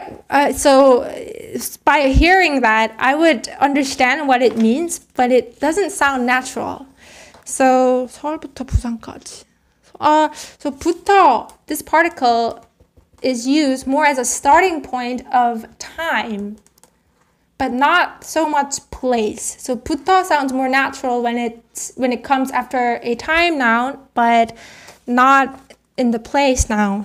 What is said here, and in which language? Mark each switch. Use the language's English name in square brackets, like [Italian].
[English] By hearing that, I would understand what it means, but it doesn't sound natural. [Korean] So 서울부터 부산까지. [English] So 부터. This particle is used more as a starting point of time, but not so much place. So 부터 sounds more natural when it comes after a time noun, but not in the place noun.